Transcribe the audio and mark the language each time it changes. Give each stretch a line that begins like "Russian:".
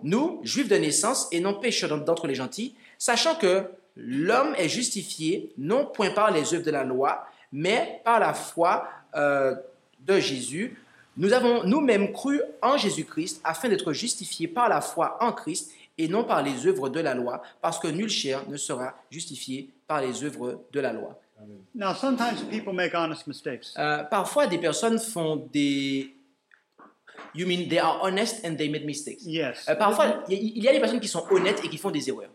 French: « Nous, juifs de naissance et non pécheurs d'entre les gentils, sachant que l'homme est justifié non point par les œuvres de la loi, mais par la foi de Jésus. » Nous avons nous-mêmes cru en Jésus-Christ afin d'être justifiés par la foi en Christ et non par les œuvres de la loi, parce que nul chair ne sera justifié par les œuvres de la loi.
English: Now, sometimes people make honest mistakes.
French: Parfois, des personnes font des...
English: You mean they are honest and they made mistakes. Yes.
French: Parfois, il y a des personnes qui sont honnêtes et qui font des erreurs.